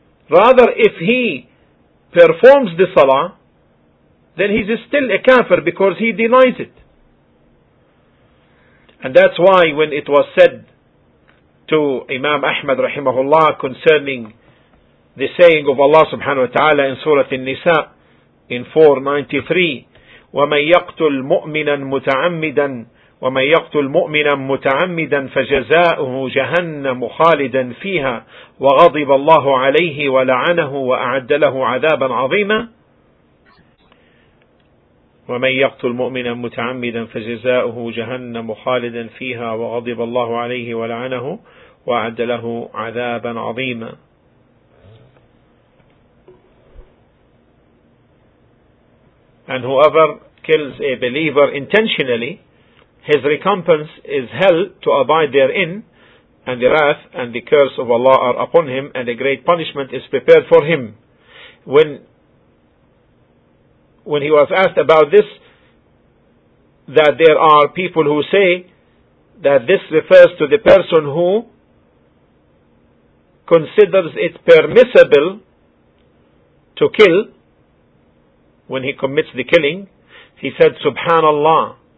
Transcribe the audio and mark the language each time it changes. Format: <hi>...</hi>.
<en>Rather, if he performs the salah, then he's still a kafir because he denies it. And that's why when it was said to Imam Ahmad rahimahullah concerning the saying of Allah subhanahu wa ta'ala in Surah An-Nisa in 493,</en> <ar>ومن يقتل مؤمنا متعمدا ومن يقتل مؤمنا متعمدا فجزاؤه جهنم خالدا فيها وغضب الله عليه ولعنه وأعد له عذابا عظيما. ومن يقتل مؤمنا متعمدا فجزاؤه جهنم خالدا فيها وغضب الله عليه ولعنه وأعد له عذابا عظيما.</ar> <en>And whoever kills a believer intentionally, his recompense is hell to abide therein, and the wrath and the curse of Allah are upon him, and a great punishment is prepared for him. When he was asked about this, that there are people who say that this refers to the person who considers it permissible to kill, when he commits the killing, he said, Subhanallah.</en>